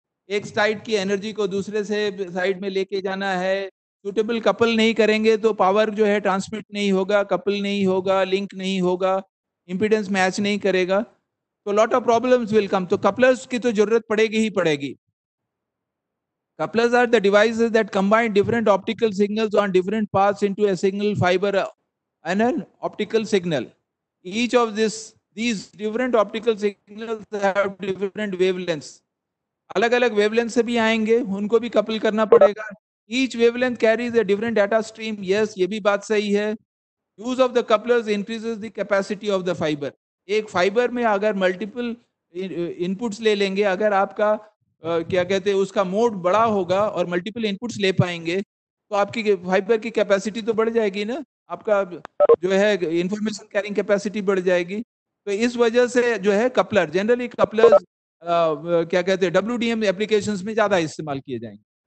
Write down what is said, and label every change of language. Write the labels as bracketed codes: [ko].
[hi] एक साइड की एनर्जी को दूसरे से साइड में लेके जाना है, सूटेबल कपल नहीं करेंगे तो पावर जो है ट्रांसमिट नहीं होगा, कपल नहीं होगा, लिंक नहीं होगा, इम्पीडेंस मैच नहीं करेगा, तो [en] Lot of problems will come. [hi] तो कपलर्स की तो जरूरत पड़ेगी ही पड़ेगी। [en] Couplers are the devices that combine different optical signals on different paths into a single fibre and an optical signal. Each of this These different optical signals have different wavelengths. [hi] अलग अलग wavelengths से भी आएंगे, उनको भी couple करना पड़ेगा। [en] Each wavelength carries a different data stream. [hi] Yes, ये भी बात सही है। [en] Use of the couplers increases the capacity of the fiber. [hi] एक fiber में अगर multiple inputs ले लेंगे, अगर आपका क्या कहते हैं उसका mode बड़ा होगा और multiple inputs ले पाएंगे तो आपकी fiber की capacity तो बढ़ जाएगी ना, आपका जो है information carrying capacity बढ़ जाएगी। तो इस वजह से जो है कपलर जनरली कपलर क्या कहते हैं WDM एप्लीकेशंस में ज्यादा इस्तेमाल किए जाएंगे।